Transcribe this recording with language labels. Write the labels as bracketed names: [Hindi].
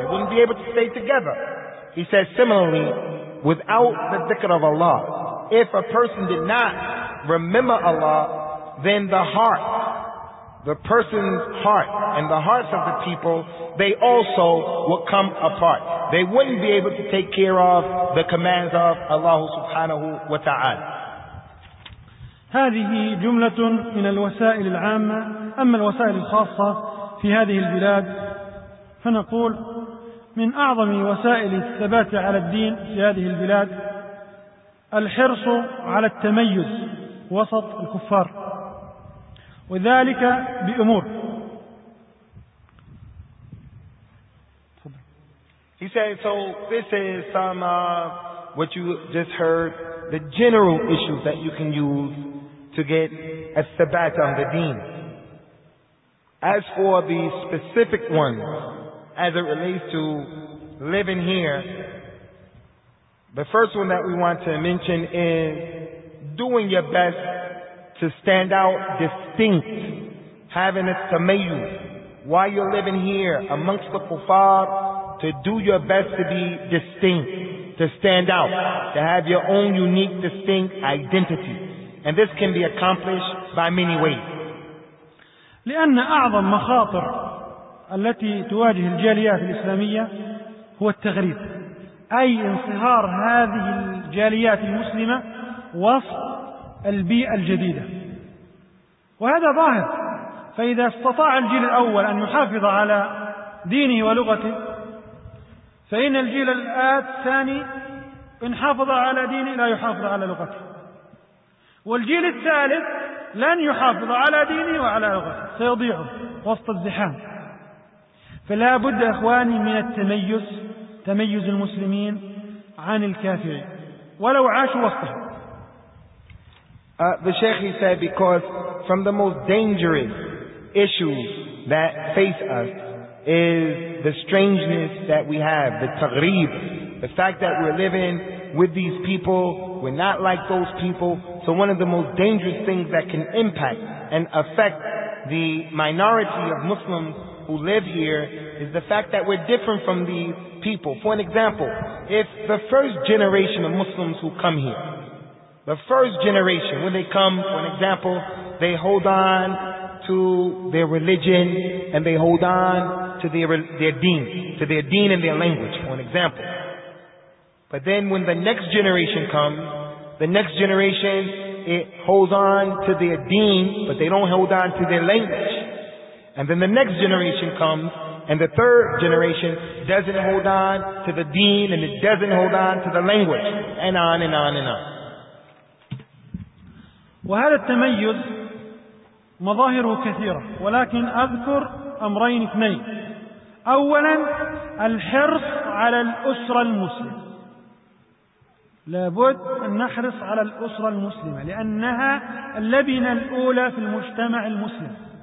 [English] It wouldn't be able to stay together. He says similarly, without the dhikr of Allah, if a person did not remember Allah, then the heart, the person's heart and the hearts of the people, they also would come apart. They wouldn't be able to take care of the commands of Allah subhanahu wa ta'ala. [Arabic] هذه جملة من الوسائل العامة. أما الوسائل الخاصة في هذه البلاد فنقول من أعظم وسائل الثبات على الدين في هذه البلاد الحرص على التميز وسط الكفار، وذلك بأمور. [English] He said, so this is some of what you just heard, the general issues that you can use to get a thabat on the deen. As for the specific ones, as it relates to living here, the first one that we want to mention is doing your best to stand out distinct, having a tamayyuz while you're living here amongst the kuffar, to do your best to be distinct, to stand out, to have your own unique, distinct identity. And this can be accomplished by many ways. [Arabic] لأن أعظم مخاطر التي تواجه الجاليات الإسلامية هو التغريب، أي انصهار هذه الجاليات المسلمة وسط البيئة الجديدة، وهذا ظاهر. فإذا استطاع الجيل الأول أن يحافظ على دينه ولغته، فإن الجيل الثاني إن حافظ على دينه لا يحافظ على لغته، والجيل الثالث لن يحافظ على دينه وعلى لغته، سيضيعه وسط الزحام. فلا بد إخواني من التميز، تميز المسلمين عن الكافرين ولو عاشوا وسطهم. [English] The Sheikh, he said, because from the most dangerous issues that face us is the strangeness that we have, the taghrib, the fact that we're living with these people, we're not like those people. So one of the most dangerous things that can impact and affect the minority of Muslims who live here is the fact that we're different from these people. For an example, if the first generation of Muslims who come here, the first generation, when they come, for an example, they hold on to their religion and they hold on to their deen and their language, for an example. But then when the next generation comes, the next generation, it holds on to their deen, but they don't hold on to their language. And then the next generation comes, and the third generation doesn't hold on to the deen, and it doesn't hold on to the language, and on and on and on. [Arabic] وهذا التميز مظاهره كثيرة ولكن أذكر أمرين اثنين. أولا الحرص على الأسرة المسلمة. لابد أن نحرص على الأسرة المسلمة لأنها اللبنة الأولى في المجتمع المسلم.